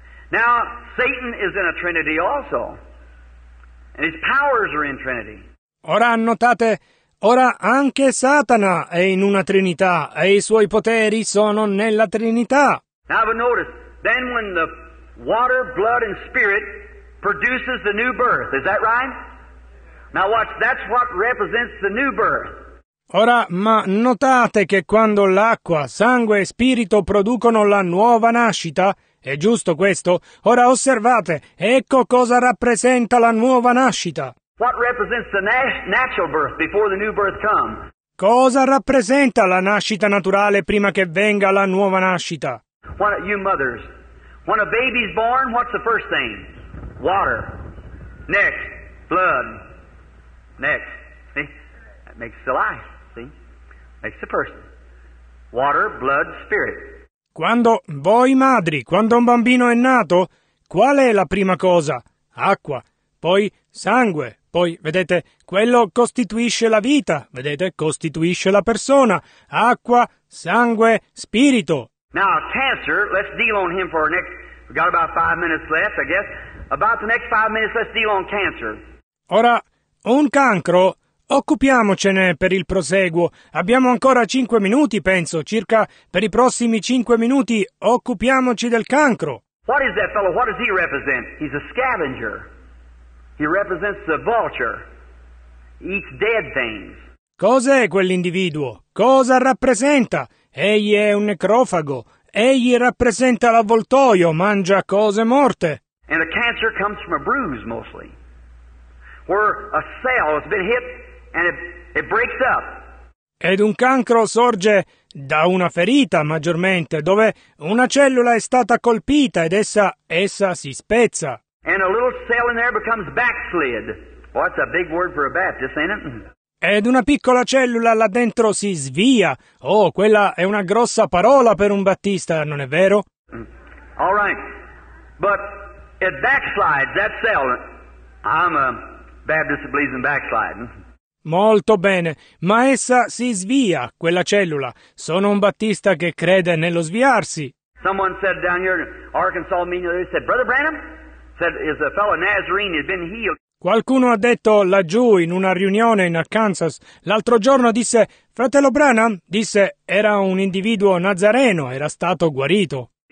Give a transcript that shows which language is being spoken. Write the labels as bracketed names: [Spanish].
[English] Now Satan is in a trinity also. And his powers are in trinity. [Italian] Ora notate, ora anche Satana è in una trinità e i suoi poteri sono nella trinità. [English] Now but notice, then when the water, blood, and spirit produces the new birth. Is that right? Now watch, that's what represents the new birth. [Italian] Ora, ma notate che quando l'acqua, sangue e spirito producono la nuova nascita, è giusto questo? Ora osservate, ecco cosa rappresenta la nuova nascita. [English] What represents the natural birth before the new birth comes? [Italian] Cosa rappresenta la nascita naturale prima che venga la nuova nascita? [English] What you mothers. When a baby's born, what's the first thing? Water. Next, blood. Next. See? That makes the life. See? Makes the person. Water, blood, spirit. [Italian] Quando voi madri, quando un bambino è nato, qual è la prima cosa? Acqua. Poi sangue. Poi, vedete, quello costituisce la vita, vedete, costituisce la persona. Acqua, sangue, spirito. [English] Now, cancer, let's deal on him for our next... We've got about 5 minutes left, I guess. About the next 5 minutes, let's deal on cancer. [Italian] Ora, un cancro, occupiamocene per il proseguo. Abbiamo ancora 5 minuti, penso, circa per i prossimi 5 minuti, occupiamoci del cancro. [English] What is that fellow? What does he represent? He's a scavenger. He represents the vulture. He eats dead things. [Italian] Cos'è quell'individuo? Cosa rappresenta? Egli è un necrofago. Egli rappresenta l'avvoltoio, mangia cose morte. [English] And a cancer comes from a bruise, mostly. Where a cell has been hit and it breaks up. [Italian] Ed un cancro sorge da una ferita, maggiormente, dove una cellula è stata colpita ed essa si spezza. [English] And a little cell in there becomes backslid. Well, that's a big word for a Baptist, ain't it? [Italian] Ed una piccola cellula là dentro si svia. Oh, quella è una grossa parola per un battista, non è vero? [English] All right. But it backslides, that cell. I'm a Baptist that believes in backsliding. [Italian] Molto bene. Ma essa si svia, quella cellula. Sono un battista che crede nello sviarsi. [English] Someone said down here in Arkansas meeting, they said, Brother Branham? Said, is a fellow Nazarene has been healed. [Italian] Qualcuno ha detto laggiù in una riunione in Arkansas l'altro giorno, disse, fratello Branham, disse, era un individuo nazareno, era stato guarito.